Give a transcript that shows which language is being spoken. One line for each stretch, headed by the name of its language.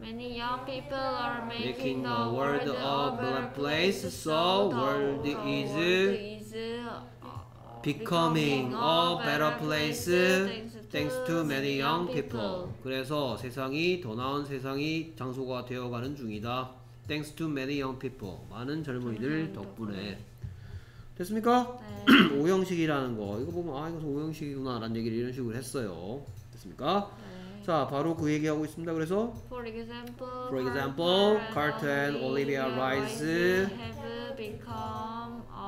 English: Many young people are making the world a better place, so the world is becoming a better place thanks to many young people.
Korean: 그래서 세상이 더 나은 세상이 장소가 되어가는 중이다.
English: Thanks to many young people.
Korean: 많은 젊은이들 덕분에. 됐습니까? 네. 5형식이라는 거. 이거 보면 아 이거 5형식이구나 라는 얘기를 이런 식으로 했어요. 됐습니까? 네. 자, 바로 그 얘기하고 있습니다. 그래서
English: For example, Carter and Olivia Rice have become